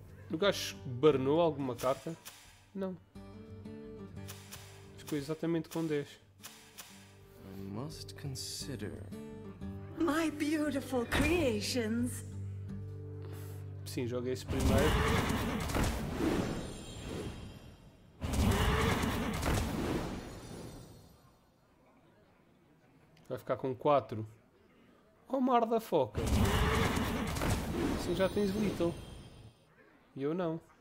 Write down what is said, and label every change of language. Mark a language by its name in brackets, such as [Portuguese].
[Portuguese] O gajo burnou alguma carta? Não. Ficou exatamente com 10. [English] I must consider my beautiful creations. [Portuguese] Sim, joguei esse primeiro. Vai ficar com 4. Oh, mar da foca. Assim já tens Little. E eu não.